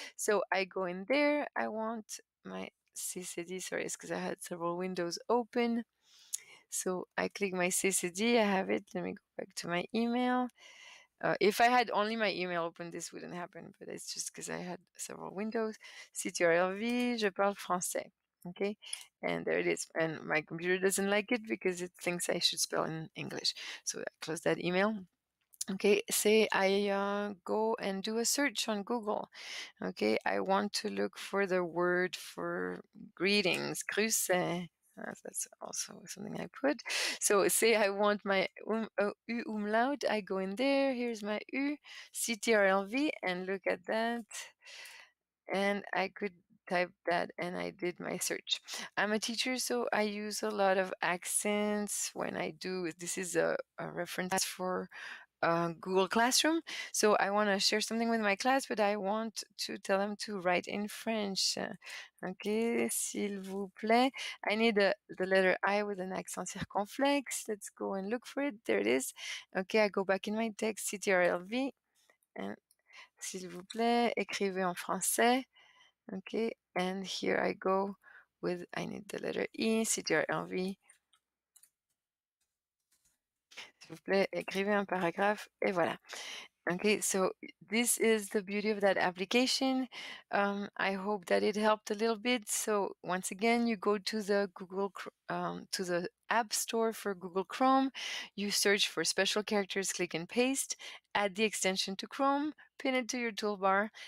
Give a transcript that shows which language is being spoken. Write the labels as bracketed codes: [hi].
[en] So I go in there. I want my CCD, sorry, it's because I had several windows open. So I click my CCD. I have it. Let me go back to my email. If I had only my email open, this wouldn't happen. But it's just because I had several windows. [fr] CTRLV, je parle français. [en] Okay, and there it is. And my computer doesn't like it because it thinks I should spell in English. So I close that email. Okay, say I go and do a search on Google. Okay, I want to look for the word for greetings, grüße. That's also something I put. So say I want my umlaut. I go in there. Here's my U, CTRLV, and look at that. And I could type that, and I did my search. I'm a teacher, so I use a lot of accents when I do. This is a reference for Google Classroom. So I want to share something with my class, but I want to tell them to write in French. Okay, [fr] s'il vous plaît. [en] I need the letter I with an accent circonflexe. Let's go and look for it. There it is. Okay, I go back in my text, CTRLV. [fr] And s'il vous plaît, écrivez en français. [en] Okay, and here I go with, I need the letter E, CTRLV. [fr] S'il vous plaît, écrivez un paragraphe, et voilà. [en] Okay, so this is the beauty of that application. I hope that it helped a little bit. So once again, you go to the Google, to the App Store for Google Chrome. You search for special characters, click and paste, add the extension to Chrome, pin it to your toolbar.